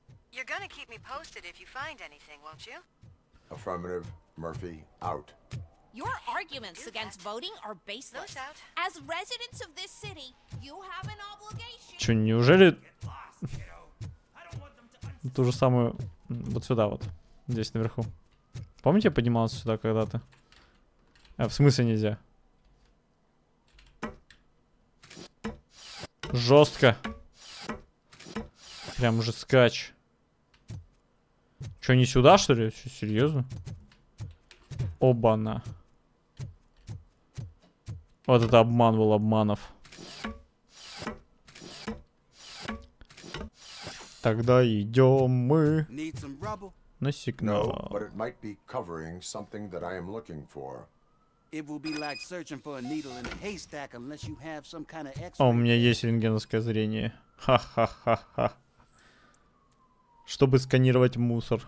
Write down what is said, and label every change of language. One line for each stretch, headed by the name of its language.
English: You're gonna keep me posted if you find anything, won't you? Affirmative. Murphy, out. Your arguments against voting are baseless. As residents of this city, you have an obligation.
Russian: Чё, неужели? Ту же самую, вот сюда вот, здесь наверху. Помните, я поднимался сюда когда-то? А, в смысле нельзя? Жестко. Прям же скач. Чё, не сюда что ли? Чё, серьезно? Оба-на. Вот это обман был обманов. Тогда идем мы. На сигнал.
English: No, but it might be covering something that I am looking for. It will be like searching for a needle in a haystack unless you have some kind of X-ray.
Russian: О, у меня есть рентгеновское зрение. Ха-ха-ха-ха. Чтобы сканировать мусор.